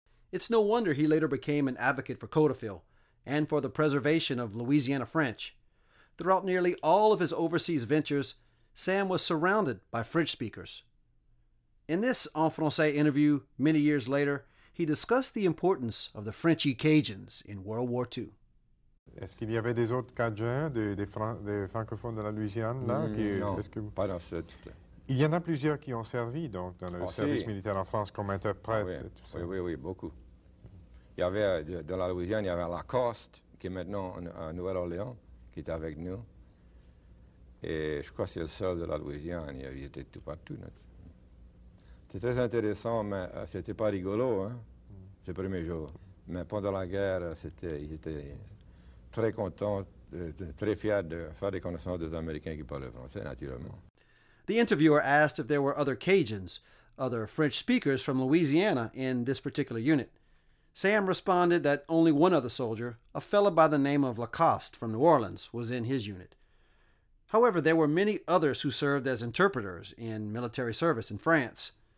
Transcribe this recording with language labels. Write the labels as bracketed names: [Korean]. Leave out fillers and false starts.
[English] It's no wonder he later became an advocate for Codafil and for the preservation of Louisiana French. Throughout nearly all of his overseas ventures, Sam was surrounded by French speakers. In this En Francais interview, many years later, he discussed the importance of the Frenchy Cajuns in World War II. [French] Est-ce qu'il y avait des autres Cajuns, des francophones de la Louisiane, là? Pas dans cette... Il y en a plusieurs qui ont servi, donc, dans le service militaire en France comme interprète. Oui, beaucoup. Il y avait, de la Louisiane, il y avait Lacoste, qui est maintenant à Nouvelle-Orléans, qui est avec nous. Et je crois que c'est le seul de la Louisiane, il était tout partout. C'était très intéressant, mais c'était pas rigolo, hein, ces premiers jours. Mais pendant la guerre, ils étaient très content, très fier de faire des connaissances des Américains qui parlent français, naturellement. [English] The interviewer asked if there were other Cajuns, other French speakers from Louisiana, in this particular unit. Sam responded that only one other soldier, a fellow by the name of Lacoste from New Orleans, was in his unit. However, there were many others who served as interpreters in military service in France.